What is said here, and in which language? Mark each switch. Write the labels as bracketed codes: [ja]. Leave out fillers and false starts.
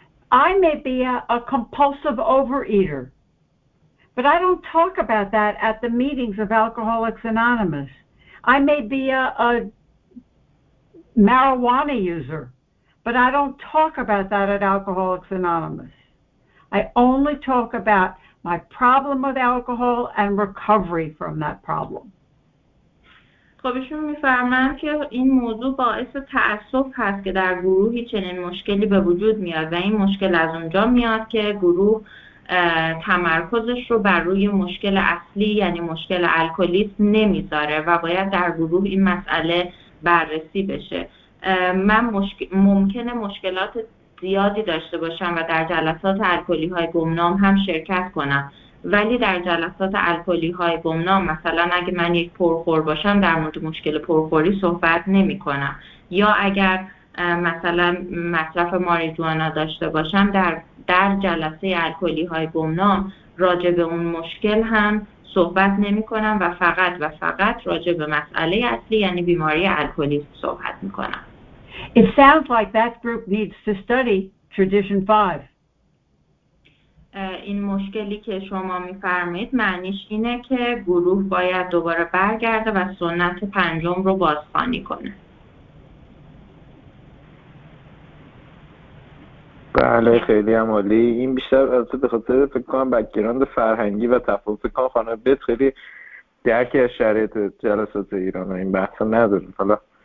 [en] I may be a compulsive overeater, but I don't talk about that at the meetings of Alcoholics Anonymous. I may be a marijuana user, but I don't talk about that at Alcoholics Anonymous. I only talk about my problem with alcohol and recovery from that problem. [fa] خب ایشون می‌فرمایند که این موضوع باعث تأسف هست که در گروهی چنین مشکلی به وجود میاد و این مشکل از اونجا میاد که گروه تمرکزش رو بر روی مشکل اصلی یعنی مشکل الکلیسم نمیذاره و باید در گروه این مسئله بررسی بشه. من ممکنه مشکلات زیادی داشته باشم و در جلسات الکلی های گمنام هم شرکت کنم، ولی در جلسات الکلی های گمنام مثلا اگه من یک پرخور باشم در مورد مشکل پرخوری صحبت نمی کنم، یا اگر مثلا مصرف ماریجوانا داشته باشم در جلسه الکلی های گمنام راجع به اون مشکل هم صحبت نمی کنم و فقط راجع به مسئله اصلی یعنی بیماری الکلی صحبت می کنم. [en] It sounds like that group needs to study Tradition 5. [fa] این مشکلی که شما می‌فرمایید معنیش اینه که گروه باید دوباره برگرده و سنت پنجم رو بازخوانی کنه. بله خیلی عالی. این بیشتر از به خاطر فکر کنم بک‌گراند فرهنگی و تفاوت کام خانه بیت خیلی درکی از شرایط جلسات ایران و این بحثا نداره. حالا